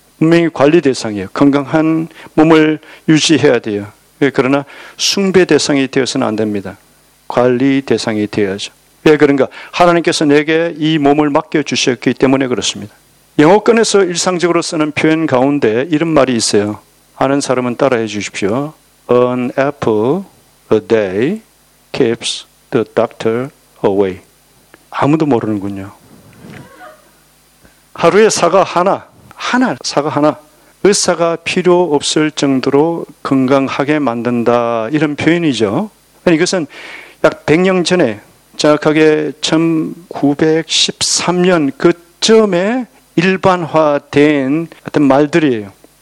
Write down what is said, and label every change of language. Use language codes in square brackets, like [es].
[ko] 분명히 관리 대상이에요. 건강한 몸을 유지해야 돼요. 그러나 숭배 대상이 되어서는 안 됩니다. 관리 대상이 되어야죠. 왜 그런가? 하나님께서 내게 이 몸을 맡겨주셨기 때문에 그렇습니다. 영어권에서 일상적으로 쓰는 표현 가운데 이런 말이 있어요. 아는 사람은 따라해 주십시오. [en] An apple a day keeps the doctor away. [ko] 아무도 모르는군요. 하루에 사과 하나, 사과 하나 의사가 필요 없을 정도로 건강하게 만든다, 이런 표현이죠. 이것은 약 100년 전에, 정확하게 1913년 그 점에 일반화된 어떤 말들이에요.